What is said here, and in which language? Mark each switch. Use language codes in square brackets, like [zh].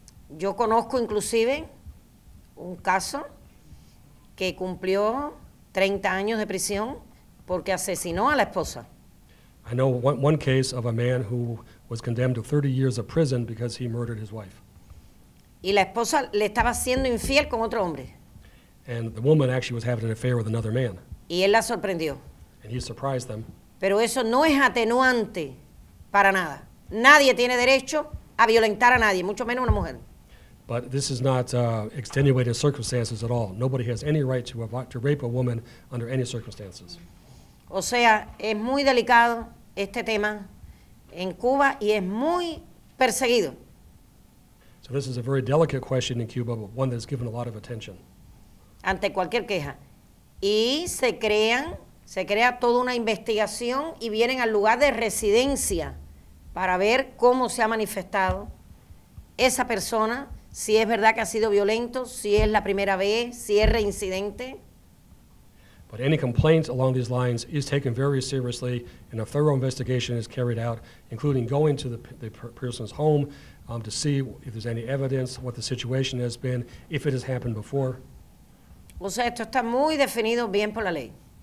[es] Yo conozco inclusive un caso que cumplió 30 años de prisión porque asesinó a la esposa. [en] I know one case of a man who was condemned to 30 years of prison because he murdered his wife. [es] Y la esposa le estaba siendo infiel con otro hombre. [en] And the woman actually was having an affair with another man. [es] Y él la sorprendió. [en] And he surprised them. [es] Pero eso no es atenuante para nada. Nadie tiene derecho a violentar a nadie, mucho menos una mujer. [en] But this is not extenuating circumstances at all. Nobody has any right to rape a woman under any circumstances. [es] O sea, es muy delicado este tema en Cuba y es muy perseguido. [en] So this is a very delicate question in Cuba, but one that's given a lot of attention. [es] Ante cualquier queja. Y se crea toda una investigación y vienen al lugar de residencia para ver cómo se ha manifestado esa persona, si es verdad que ha sido violento, si es la primera vez, si es reincidente. [en] But any complaint along these lines is taken very seriously, and a thorough investigation is carried out, including going to the person's home to see if there's any evidence, what the situation has been, if it has happened before. [es] O sea, esto está muy definido bien por la ley.